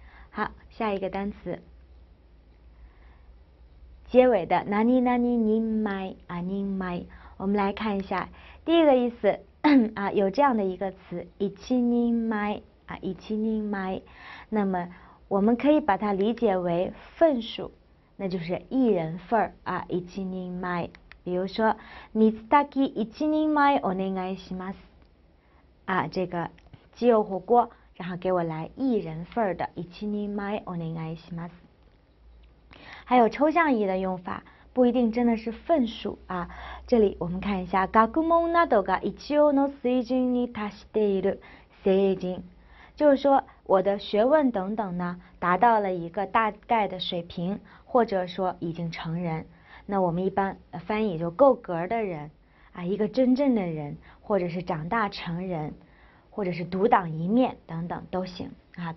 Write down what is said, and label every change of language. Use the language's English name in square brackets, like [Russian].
[Chinese] 好，下一个单词，结尾的何々にまい啊，にまい，我们来看一下第一个意思啊，有这样的一个词一人前啊，一人前，那么我们可以把它理解为份数，那就是一人份啊，一人前。比如说， [Japanese] みつたき一人前お願いします。 [Chinese] 啊，这个鸡肉火锅，然后给我来一人份的 [Japanese] 一人前お願いします。 [Chinese] 还有抽象意义的用法，不一定真的是份数啊。这里我们看一下， [Japanese] 学問などが一応の水準に達している成人。 [Chinese] 就是说我的学问等等呢达到了一个大概的水平，或者说已经成人，那我们一般翻译就够格的人啊，一个真正的人，或者是长大成人，或者是独当一面等等都行啊。